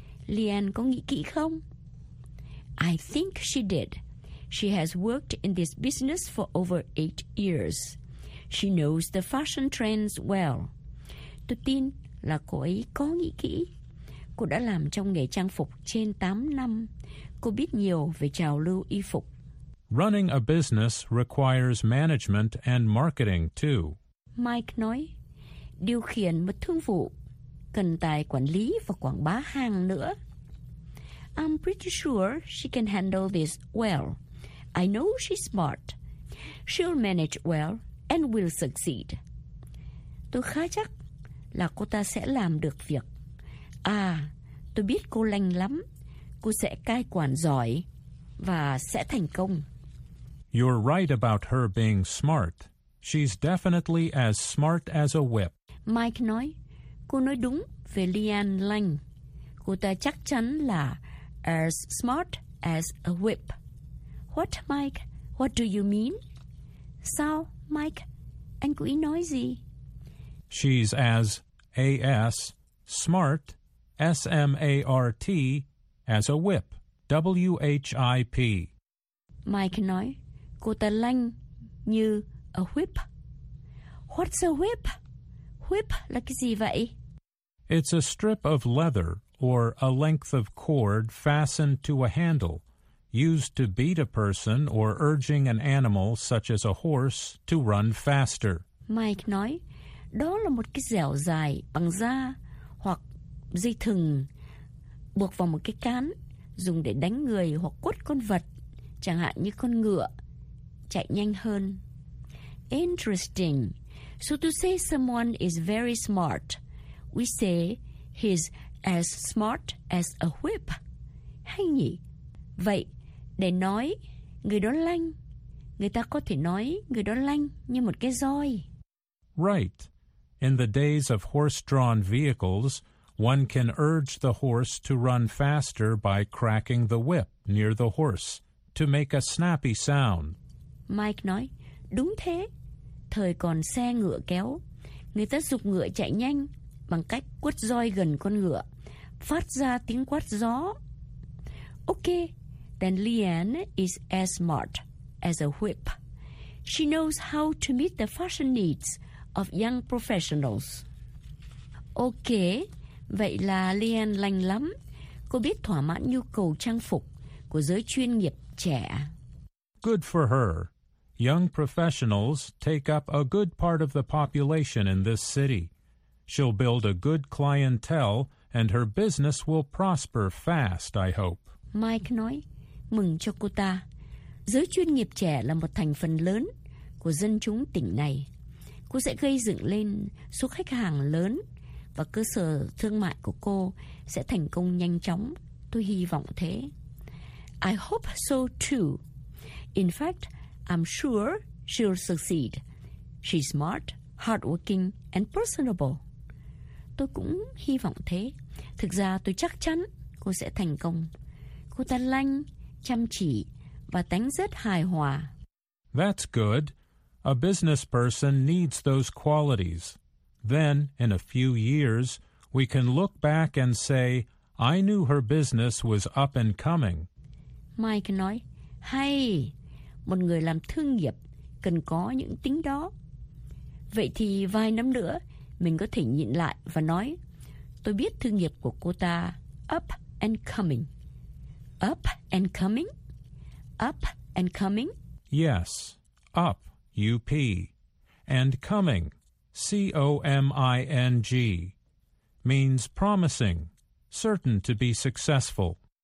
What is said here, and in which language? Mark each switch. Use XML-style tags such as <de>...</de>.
<vi>Leanne có nghĩ kỹ không?</vi> <en>I think she did. She has worked in this business for over 8 years. She knows the fashion trends well.</en> <vi>Tôi tin là cô ấy có nghĩ kỹ. Cô đã làm trong nghề trang phục trên 8 năm. Cô biết nhiều về trào lưu y phục.</vi> <en>Running a business requires management and marketing too.</en> <vi>Mike nói, điều khiển một thương vụ cần tài quản lý và quảng bá hàng nữa.</vi> <en>I'm pretty sure she can handle this well. I know she's smart. She'll manage well and will succeed.</en> <vi>Tôi khá chắc là cô ta sẽ làm được việc. À, tôi biết cô lành lắm. Cô sẽ cai quản giỏi và sẽ thành công.</vi> <en>You're right about her being smart. She's definitely as smart as a whip.</en> <vi>Mike nói, cô nói đúng về Leanne Lang. Cô ta chắc chắn là</vi> <en>as smart as a whip. What, Mike? What do you mean?</en> <vi>Sao, Mike? Anh cố ý nói gì?</vi> <en>She's as A-S, smart, S-M-A-R-T, as a whip, W-H-I-P.</en> <vi>Mike nói, cô ta lanh như</vi> <en>a whip. What's a whip?</en> <vi>Whip là cái gì vậy?</vi> <en>It's a strip of leather or a length of cord fastened to a handle, used to beat a person or urging an animal such as a horse to run faster.</en> <vi>Mike nói, đó là một cái dẻo dài bằng da hoặc dây thừng buộc vào một cái cán dùng để đánh người hoặc quất con vật, chẳng hạn như con ngựa, chạy nhanh hơn.</vi> <en>Interesting. So to say someone is very smart, we say he's as smart as a whip.</en> <vi>Hay nhỉ? Vậy, để nói người đó lanh, người ta có thể nói người đó lanh như một cái roi.</vi> <en>Right. In the days of horse-drawn vehicles, one can urge the horse to run faster by cracking the whip near the horse to make a snappy sound.</en> <vi>Mike nói, đúng thế. thời còn xe ngựa kéo, người ta giục ngựa chạy nhanh bằng cách quất roi gần con ngựa, phát ra tiếng quát gió.</vi> <en>Ok, then Leanne is as smart as a whip. She knows how to meet the fashion needs of young professionals.</en> <vi>Ok, vậy là Leanne lành lắm. Cô biết thỏa mãn nhu cầu trang phục của giới chuyên nghiệp trẻ.</vi> <en>Good for her. Young professionals take up a good part of the population in this city. She'll build a good clientele and her business will prosper fast, I hope.</en> <vi>Mike nói, mừng cho cô ta. Giới chuyên nghiệp trẻ là một thành phần lớn của dân chúng tỉnh này. Cô sẽ gây dựng lên số khách hàng lớn và cơ sở thương mại của cô sẽ thành công nhanh chóng. Tôi hy vọng thế.</vi> <en>I hope so too. In fact, I'm sure she'll succeed. She's smart, hardworking, and personable.</en> <vi>Tôi cũng hy vọng thế. Thực ra tôi chắc chắn cô sẽ thành công. Cô ta lanh, chăm chỉ và tánh rất hài hòa.</vi> <en>That's good. A business person needs those qualities. Then, in a few years, we can look back and say, I knew her business was up and coming.</en> <vi>Mike nói, hay, một người làm thương nghiệp cần có những tính đó. Vậy thì vài năm nữa, mình có thể nhìn lại và nói, tôi biết thương nghiệp của cô ta</vi> <en>up and coming. Up and coming? Up and coming? Yes, up, U-P, and coming, C-O-M-I-N-G, means promising, certain to be successful.</en>